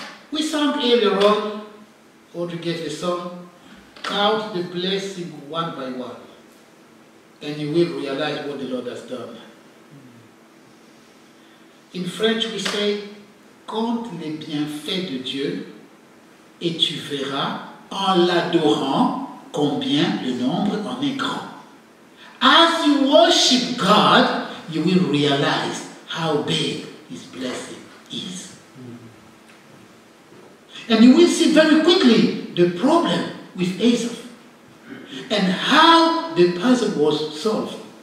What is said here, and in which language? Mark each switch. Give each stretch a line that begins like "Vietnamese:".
English: We sang earlier on, or to get the song, count the blessing one by one, and you will realize what the Lord has done. In French, we say,
French: compte les bienfaits de Dieu, et tu verras en l'adorant combien le nombre en est grand.
English: As you worship God, you will realize how big His blessing is. And you will see very quickly the problem with Asaph and how the puzzle was solved.